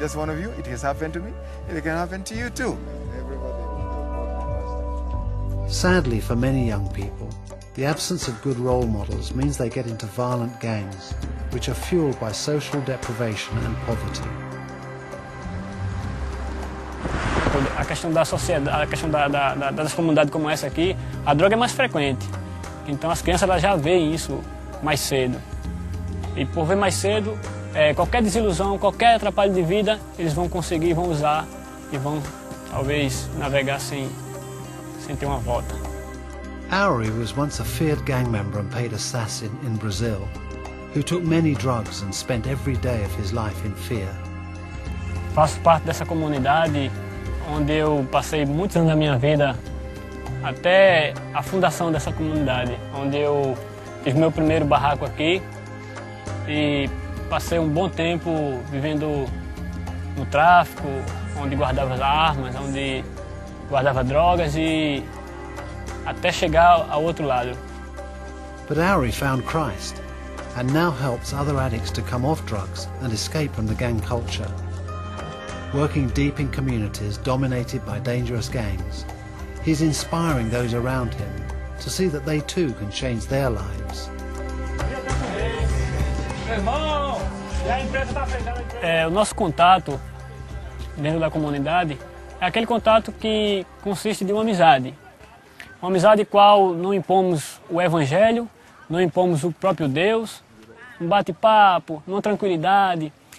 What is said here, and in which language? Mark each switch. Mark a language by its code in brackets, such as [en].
[en] just one of you. It has happened to me. It can happen to you too. Sadly, for many young people, the absence of good role models means they get into violent gangs, which are fueled by social deprivation and poverty. [pt] A questão da sociedade, a questão das comunidades como essa aqui, a droga é mais frequente. Então as crianças elas já veem isso mais cedo. E por ver mais cedo, qualquer desilusão, qualquer atrapalho de vida, eles vão conseguir, vão usar e vão talvez navegar sem ter uma volta. [en] Auri was once a feared gang member and paid assassin in Brazil, who took many drugs and spent every day of his life in fear. [pt] Faço parte dessa comunidade onde eu passei muitos anos da minha vida, até a fundação dessa comunidade, onde eu tive meu primeiro barraco aqui e passei um bom tempo vivendo no tráfico, onde guardava armas, onde guardava drogas e até chegar ao outro lado. [en] But Auri found Christ and now helps other addicts to come off drugs and escape from the gang culture. Working deep in communities dominated by dangerous gangs, he's inspiring those around him to see that they too can change their lives. [pt] O nosso contato dentro da comunidade é aquele contato que consiste de uma amizade. Uma amizade qual não impomos o evangelho, não impomos o próprio Deus, um bate-papo, uma tranquilidade.